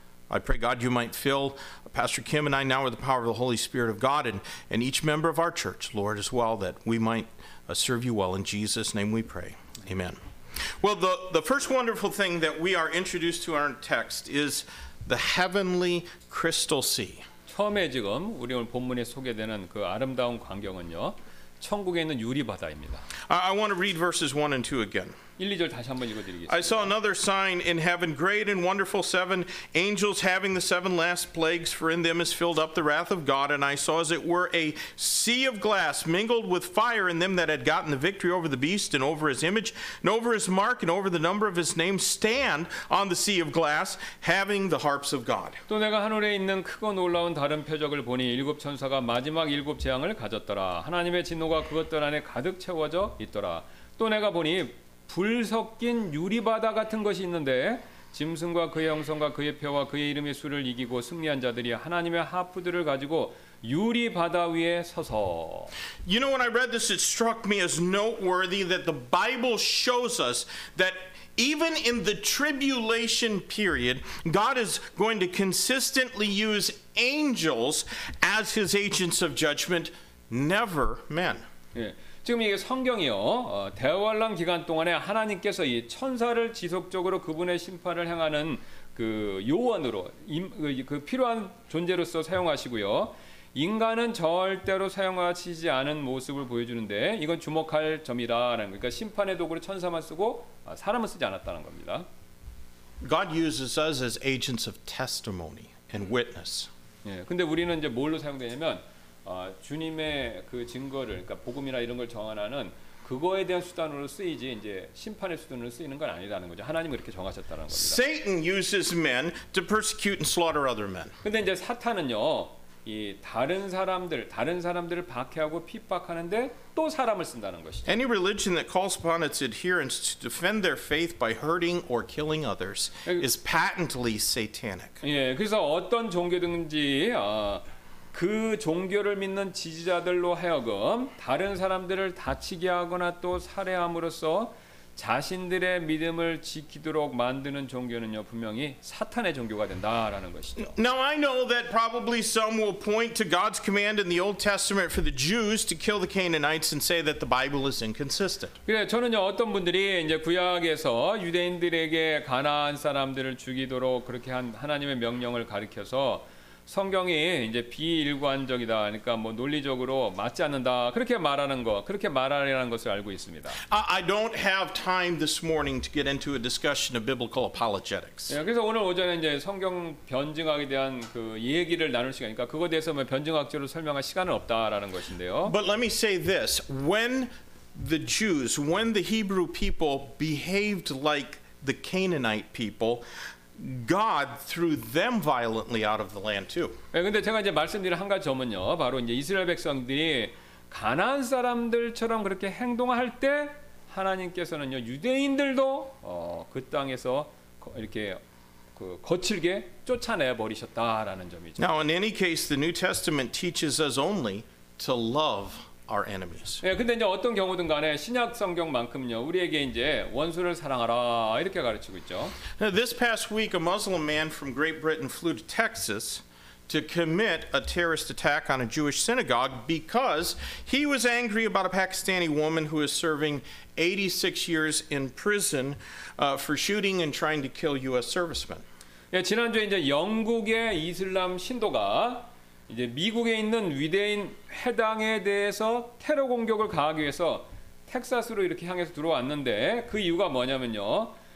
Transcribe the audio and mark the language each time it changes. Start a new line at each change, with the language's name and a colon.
English: I pray, God, you might fill Pastor Kim and I now with the power of the Holy Spirit of God and each member of our church, Lord, as well, that we might serve you well. In Jesus' name we pray, amen. Well, the first wonderful thing that we are introduced to in our text is the heavenly crystal sea.
Korean: 처음에 지금 우리 오늘 본문에 소개되는 그 아름다운 광경은요, 천국에 있는 유리 바다입니다.
English: I want to read verses 1 and 2 again.
Korean: 1, 2절 다시 한번 읽어드리겠습니다.
English: I saw another sign in heaven, great and wonderful, seven angels having the seven last plagues, for in them is filled up the wrath of God. And I saw, as it were, a sea of glass mingled with fire in them that had gotten the victory over the beast and over his image and over his mark and over the number of his name stand on the sea of glass, having the harps of God.
Korean: 또 내가 하늘에 있는 크고 놀라운 다른 표적을 보니 일곱 천사가 마지막 일곱 재앙을 가졌더라. 하나님의 진노가 그것들 안에 가득 채워져 있더라. 또 내가 보니 불 섞인 유리바다 같은 것이 있는데 짐승과 그의 형상과 그의 표와 그의 이름의 수를 이기고 승리한 자들이 하나님의 하프들을 가지고 유리바다 위에 서서
English: You know, when I read this, it struck me as noteworthy that the Bible shows us that even in the tribulation period, God is going to consistently use angels as his agents of judgment, never men.
Korean: 지금 이게 성경이요. 대환란 기간 동안에 하나님께서 이 천사를 지속적으로 그분의 심판을 행하는 그 요원으로 그 필요한 존재로서 사용하시고요. 인간은 절대로 사용하시지 않은 모습을 보여주는데 이건 주목할 점이다라는 거. 그러니까 심판의 도구를 천사만 쓰고 사람은 쓰지 않았다는 겁니다.
English: God uses us as agents of testimony and witness.
Korean: 예. 근데 우리는 이제 뭘로 사용되냐면 주님의 그 증거를 그러니까 복음이나 이런 걸 전하는 그거에 대한 수단으로 쓰이지 이제 심판의 수단으로 쓰이는 건 아니라는 거죠. 하나님은 그렇게 정하셨다는 겁니다.
English: Satan uses men to persecute and slaughter other men.
Korean: 근데 이제 사탄은요. 이 다른 사람들을 박해하고 핍박하는데 또 사람을 쓴다는 것이죠.
English: Any religion that calls upon its adherents to defend their faith by hurting or killing others is patently satanic.
Korean: 예, 그래서 어떤 종교든지 그 종교를 믿는 지지자들로 하여금 다른 사람들을 다치게 하거나 또 살해함으로써 자신들의 믿음을 지키도록 만드는 종교는요 분명히 사탄의 종교가 된다라는 것이죠.
English: Now I know that probably some will point to God's command in the Old Testament for the Jews to kill the Canaanites and say that the Bible is inconsistent.
Korean: 그래, 저는요 어떤 분들이 이제 구약에서 유대인들에게 가나안 사람들을 죽이도록 그렇게 한 하나님의 명령을 가리켜서 성경이 이제 비일관적이다. 그러니까 뭐 논리적으로 맞지 않는다. 그렇게 말하는 거, 그렇게 말하라는 것을 알고 있습니다.
English: I don't have time this morning to get into a discussion of biblical apologetics.
Korean: 예, 그래서 오늘 오전에 이제 성경 변증학에 대한 그 얘기를 나눌 시간이니까 그거에 대해서 뭐 변증학적으로 설명할 시간은 없다라는 것인데요.
English: But let me say this. When the Hebrew people behaved like the Canaanite people, God threw them violently out of the land too.
Korean: 예, 근데 제가 이제 말씀드릴 한 가지 점은요. 바로 이제 이스라엘 백성들이 가나안 사람들처럼 그렇게 행동할 때 하나님께서는요. 유대인들도 그 땅에서 이렇게 그 거칠게 쫓아내 버리셨다라는 점이죠.
English: Now in any case the New Testament teaches us only to love our enemies.
Korean: 예, 근데 이제 어떤 경우든 간에 신약 성경만큼요. 우리에게 이제 원수를 사랑하라 이렇게 가르치고 있죠.
English: Now, this past week a Muslim man from Great Britain flew to Texas to commit a terrorist attack on a Jewish synagogue because he was angry about a Pakistani woman who is serving 86 years in prison for shooting and trying to kill US servicemen.
Korean: 예, 지난주에 이제 영국의 이슬람 신도가 이제 미국에 있는 위대인 회당에 대해서 테러 공격을 가하기 위해서 텍사스로 이렇게 향해서 들어왔는데 그 이유가 뭐냐면요.